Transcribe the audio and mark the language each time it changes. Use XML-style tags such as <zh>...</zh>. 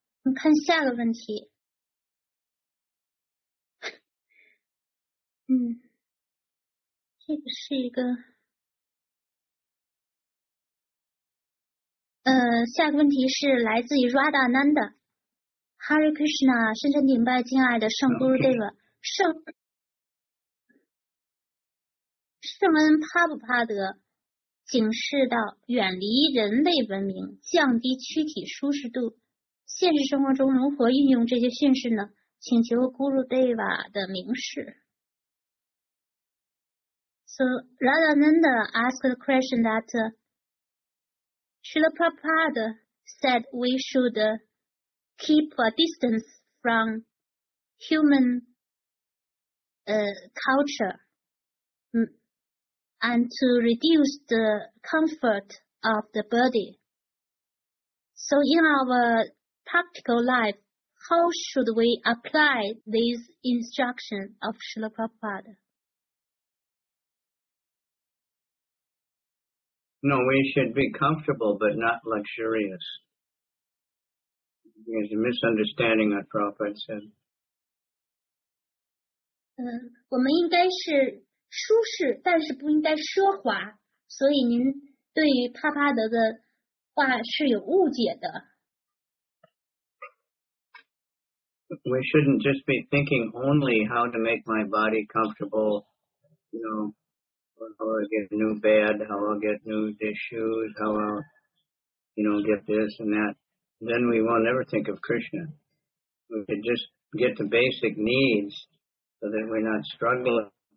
<zh>我们看下个问题。嗯，这个是一个，下个问题是来自于 Radha Nanda。 Hare Krishna， 深深顶拜敬爱的圣 Guru Deva、</zh> <en>okay.</en> <zh>圣。圣恩帕布帕德警示到远离人类文明，降低躯体舒适度。现实生活中如何运用这些训示呢？请求 Guru Deva 的明示。</zh> <en>So Radha Nanda asked the question that Srila Prabhupada said we should keep a distance from human culture. And to reduce the comfort of the body. So in our practical life, how should we apply this instruction of Srila Prabhupada? No, we should be comfortable but not luxurious. There's a misunderstanding that Prabhupada said.</en> <zh>我们应该是舒适，但是不应该奢华。所以您对于帕帕德的话是有误解的。</zh> <en>We shouldn't just be thinking only how to make my body comfortable, you know, how I'll get a new bed, how I'll get new dish shoes, how I'll, you know, get this and that. Then we will never think of Krishna. We could just get the basic needs so that we're not struggling.</en>